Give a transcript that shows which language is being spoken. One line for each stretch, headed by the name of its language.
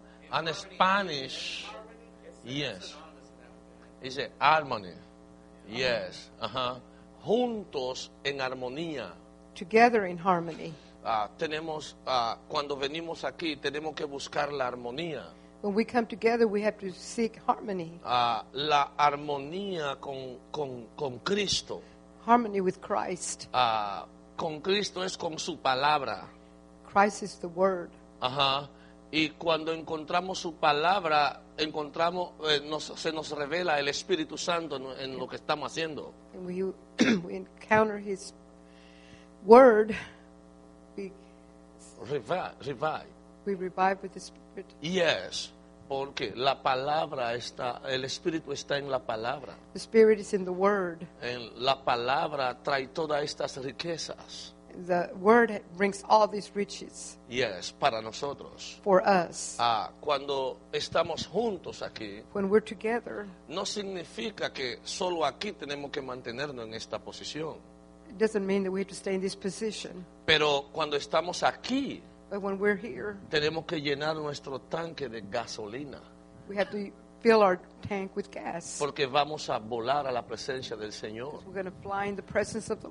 English: And Spanish. Yes. Is it harmony? Yes.
Spanish: Juntos en armonía.
English: Together in harmony.
Spanish: Tenemos, cuando venimos aquí, tenemos que buscar la armonía.
English: When we come together, we have to seek harmony.
Spanish: La armonía con Cristo.
English: Harmony with Christ.
Spanish: Con Cristo es con su palabra.
English: Christ is the word.
Spanish: Y cuando encontramos su palabra, encontramos, se nos revela el Espíritu Santo en lo que estamos haciendo.
English: And we encounter his word, we revive with the Spirit.
Spanish: Yes, porque la palabra está, el Espíritu está en la palabra.
English: The Spirit is in the word.
Spanish: En la palabra trae todas estas riquezas.
English: The word brings all these riches.
Spanish: Yes, para nosotros.
English: For us.
Spanish: Ah, cuando estamos juntos aquí.
English: When we're together.
Spanish: No significa que solo aquí tenemos que mantenernos en esta posición.
English: It doesn't mean that we have to stay in this position.
Spanish: Pero cuando estamos aquí.
English: But when we're here.
Spanish: Tenemos que llenar nuestro tanque de gasolina.
English: We have to fill our tank with gas.
Spanish: Porque vamos a volar a la presencia del Señor.
English: We're going to fly in the presence of the